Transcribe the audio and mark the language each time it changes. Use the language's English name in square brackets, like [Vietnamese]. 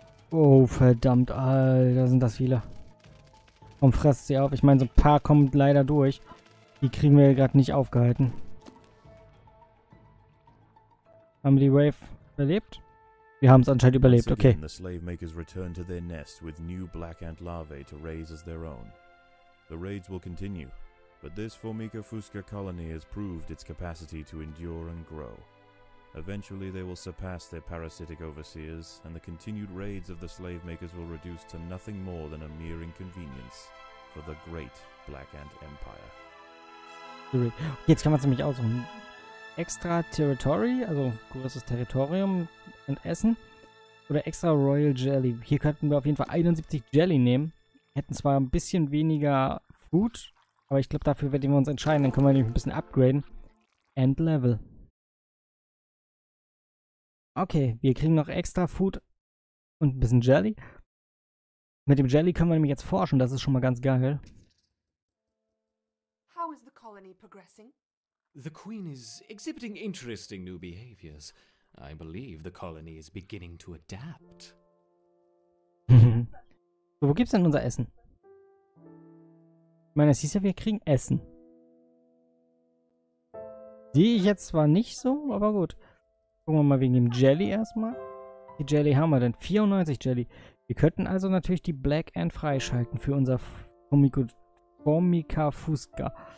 [German] Oh, verdammt, Alter, sind das viele. Komm, fress sie auf. Ich meine, so ein paar kommen leider durch. Die kriegen wir gerade nicht aufgehalten. Haben wir die Wave überlebt? Wir haben es anscheinend überlebt, okay. [English] The slave makers return to their nest with new black ant larvae to raise as their own. The raids will continue, but this Formica Fusca colony has proved its capacity to endure and grow. Eventually they will surpass their parasitic overseers, and the continued raids of the slave makers will reduce to nothing more than a mere inconvenience for the great black ant empire. [German] Jetzt kann man es nämlich auch so ein extra territory, also größeres Territorium. Und Essen. Oder extra Royal Jelly. Hier könnten wir auf jeden Fall 71 Jelly nehmen. Hätten zwar ein bisschen weniger Food, aber ich glaube, dafür werden wir uns entscheiden. Dann können wir nämlich ein bisschen upgraden. End Level. Okay, wir kriegen noch extra Food und ein bisschen Jelly. Mit dem Jelly können wir nämlich jetzt forschen. Das ist schon mal ganz geil. [English] How is the colony progressing? The Queen is exhibiting interesting new behaviors. I believe the colony is beginning to adapt. [German] Wo gibt's denn unser Essen? Ich meine, es hieß ja, wir kriegen Essen. Sehe ich jetzt zwar nicht so, aber gut. Gucken wir mal wegen dem Jelly erstmal. Wie viel Jelly haben wir denn? 94 Jelly. Wir könnten also natürlich die Black Ant freischalten für unser Formica Fusca.